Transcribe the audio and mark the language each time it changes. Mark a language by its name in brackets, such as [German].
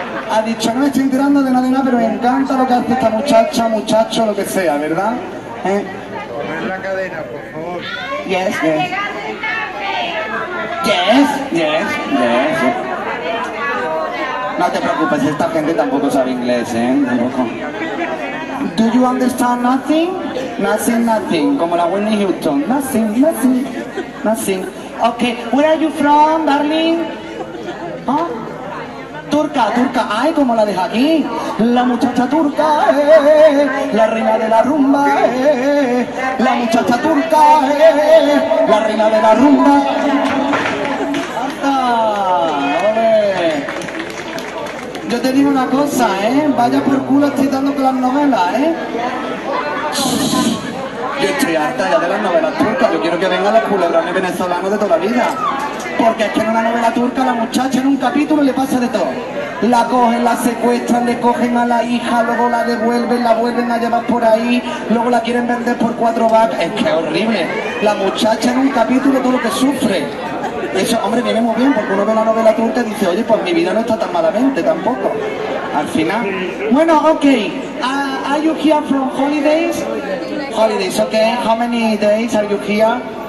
[Spanish] Ha dicho, no me estoy enterando de nada, pero me encanta lo que hace esta muchacha, muchacho, lo que sea, ¿verdad? Comer la cadena, por favor. [English] Yes, yes. Yes, yes, yes. [Spanish] No te preocupes, esta gente tampoco sabe inglés, ¿eh? Tampoco. [English] Do you understand nothing? Nothing, nothing. [Spanish] Como la Whitney Houston. [English] Nothing, nothing, nothing. Ok, where are you from, darling? ¿Ah? [Spanish] Turca, turca, ay, como la deja aquí. La muchacha turca, la reina de la rumba, la muchacha turca, la reina de la rumba. ¡Anda! ¡Ole! Yo te digo una cosa, vaya por culo, estoy dando con las novelas, Yo estoy harta ya de las novelas turcas, yo quiero que vengan los culebrones venezolanos de toda la vida. Porque es que en una novela turca la muchacha en un capítulo le pasa de todo. La cogen, la secuestran, le cogen a la hija, luego la devuelven, la vuelven a llevar por ahí, luego la quieren vender por 4 vacas. Es que es horrible. La muchacha en un capítulo todo lo que sufre. Eso, hombre, viene muy bien porque uno ve la novela turca y dice, oye, pues mi vida no está tan malamente tampoco. Al final. Bueno, [English] ok. Are you here from holidays? Holidays, ok. How many days are you here?